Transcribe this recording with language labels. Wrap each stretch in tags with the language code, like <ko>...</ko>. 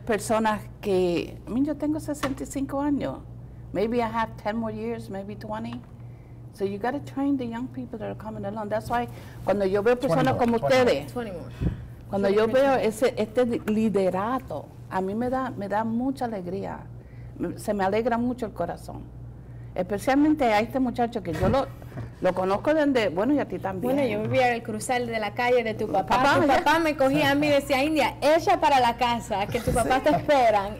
<es>Y todas las personas que yo tengo 65 años.</es> <en>Maybe I have 10 more years, maybe 20. So you got to train the young people that are coming along. That's why</en> <es>cuando yo veo personas como ustedes.</es> <en>20 more.</en> <es>Cuando yo veo este liderato, a mí me da mucha alegría. Se me alegra mucho el corazón. especialmente a este muchacho que yo lo lo conozco desde, bueno, y a ti también. Bueno, yo vivía al cruzar de la calle de tu papá. Papá me cogía a mí y decía, India, ella para la casa, que tu papá te esperan.</es>